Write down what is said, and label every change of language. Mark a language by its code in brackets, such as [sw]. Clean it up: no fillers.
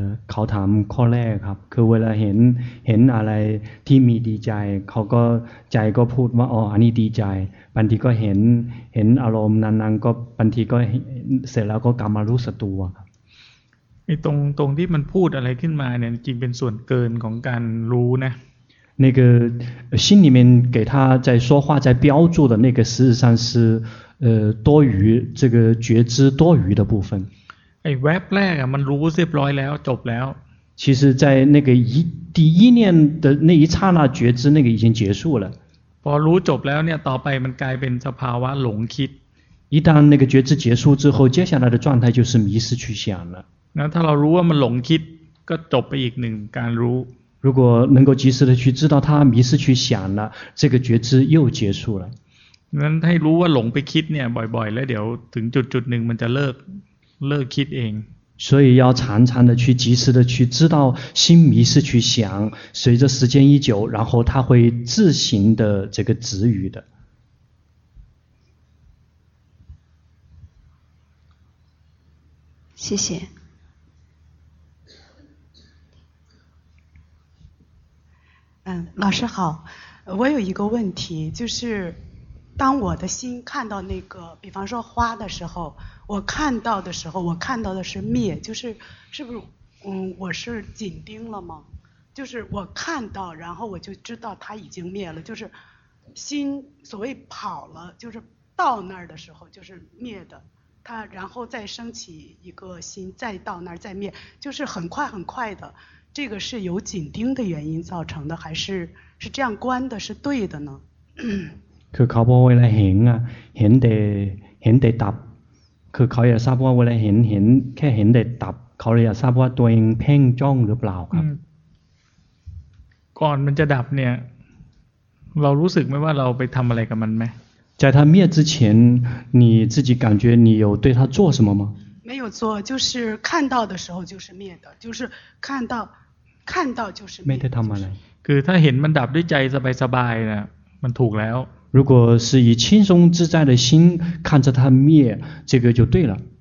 [th] เขาถามข้อแรกครับคือเวลาเห็นอะไรที่มีดีใจเขาก็ใจก็พูดว่าอ๋ออันนี้ดีใจบางทีก็เห็นอารมณ์นั้นก็บางทีก็เสร็จแล้วก็กลับมารู้สตัว ตรงที่มันพูดอะไรขึ้นมาเนี่ยจริงเป็นส่วนเกินของการรู้นะ [zh] 那个心里面给他在说话在标注的那个事实上是多余这个觉知多余的部分 [th] ไอ้แว็บแรกอ่ะมันรู้เรียบร้อยแล้วจบแล้ว [zh] 其实在那个第一念的那一刹那觉知那个已经结束了 [th] พอรู้จบแล้วเนี่ยต่อไปมันกลายเป็นสภาวะหลงคิด [zh] 一旦那个觉知结束之后接下来的状态就是迷失去想了 [th] 那ถ้าเรารู้ว่ามันหลงคิดก็จบไปอีกหนึ่งการรู้ [zh] 如果能够及时的去知道他迷失去想了这个觉知又结束了 [th] งั้นให้รู้ว่าหลงไปคิดเนี่ยบ่อยๆแล้วเดี๋ยวถึงจุดหนึ่งมันจะเลิกคิดเอง [zh] 所以要常常的去及时的去知道心迷失去想随着时间一久然后它会自行的这个止语的谢谢老师好我有一个问题就是当我的心看到那个比方说花的时候我看到的时候我看到的是灭就是是不是我是紧盯了吗就是我看到然后我就知道它已经灭了就是心所谓跑了就是到那儿的时候就是灭的它然后再升起一个心再到那儿再灭就是很快很快的这个是由紧盯的原因造成的还是这样观的是对的呢 [th] คือเขาบอกว่าเวลาเห็นอ่ะเห็นแต่ดับคือเขาอยากทราบว่าเวลาเห็นแค่เห็นแต่ดับเขาเลยอยากทราบว่าตัวเองเพ่งจ้องหรือเปล่าครับ ก่อนมันจะดับเนี่ยเรารู้สึกไหมว่าเราไปทำอะไรกับมันไหม [zh] 在它灭之前你自己感觉你有对它做什么吗没有做就是看到的时候就是灭的就是看到就是灭 [th] ไม่ได้ทำอะไร คือถ้าเห็นมันดับด้วยใจสบายๆนะมันถูกแล้ว [zh] 如果是以轻松自在的心看着它灭这个就对了